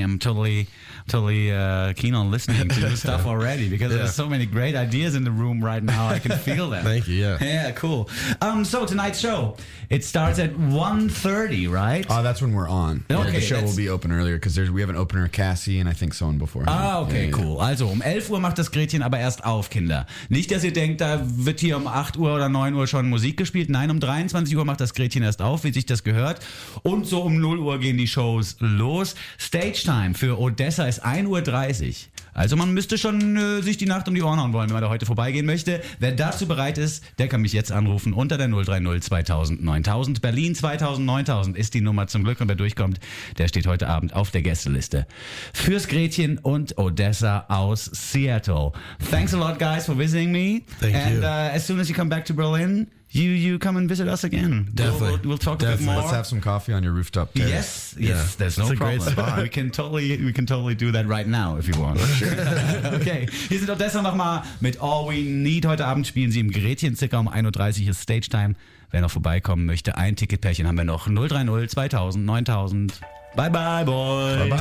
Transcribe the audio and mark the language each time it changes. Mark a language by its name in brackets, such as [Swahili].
[English] I'm totally keen on listening to this stuff already, because there's so many great ideas in the room right now. I can feel them. Thank you. Yeah, cool. So tonight's show, it starts at 1:30, right? Oh, that's when we're on. Okay, the show will be open earlier, because we have an opener, Cassie, and I think someone before him. Ah, okay, cool. [German] Also, 11 Uhr macht das Gretchen aber erst auf, Kinder. Nicht, dass ihr denkt, da wird hier 8 Uhr oder 9 Uhr schon Musik gespielt. Nein, 23 Uhr macht das Gretchen erst auf, wie sich das gehört. Und so 0 Uhr gehen die Shows los. Stage Time für Odessa ist 1:30 Uhr. Also man müsste schon sich die Nacht um die Ohren hauen wollen, wenn man da heute vorbeigehen möchte. Wer dazu bereit ist, der kann mich jetzt anrufen unter der 030 2000 9000. Berlin 2000 9000 ist die Nummer zum Glück. Und wer durchkommt, der steht heute Abend auf der Gästeliste. Fürs Gretchen und Odessa aus Seattle. [English] Thanks a lot, guys, for visiting me. Thank you. And as soon as you come back to Berlin, you come and visit us again. Definitely. We'll talk a bit more. Let's have some coffee on your rooftop terrace. Yes, there's no problem. It's a great spot. We can totally do that right now if you want. [German] Okay, hier sind Odessa nochmal mit All We Need. Heute Abend spielen sie im Gretchen, circa 1:30 Uhr ist Stage Time. Wer noch vorbeikommen möchte, ein Ticketpärchen haben wir noch. 030 2000 9000. Bye bye, boys.